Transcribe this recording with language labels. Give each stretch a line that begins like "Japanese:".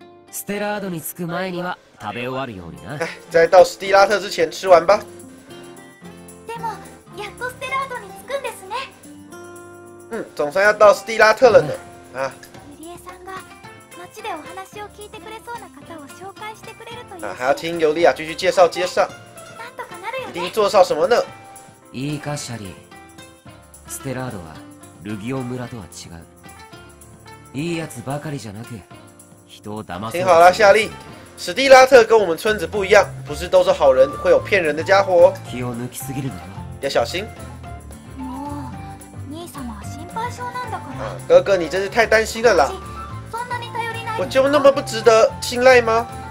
Japanese: ステラードに着く前には食べ終わるようにな。
Chinese: 在到斯蒂拉特之前吃完吧。
Japanese: でもやっとステラードに着くんですね。
Chinese: 嗯，总算要到斯蒂拉特了呢。啊。
Japanese: ユリエさんが街でお話を聞いてくれそうな方を紹介してくれるという。
Chinese: 啊，还要听尤利亚继续介绍。
Japanese: なんとかなるよね。
Chinese: 一定做到什么呢？
Japanese: いいかシャリ。ステラードは。ルギオ村とは違う。いいやつばかりじゃなく、人を騙す。
Chinese: 听好了，夏利，史蒂拉特跟我们村子不一样，不是都是好人，会有骗人的家伙、哦。
Japanese: 気を抜きすぎるな。
Chinese: 要小心。
Japanese: もう、兄様は心配性なんだから。
Chinese: 哥哥，你真是太担心了啦。
Japanese: そんなに頼りない。
Chinese: 我就那么不值得信赖吗？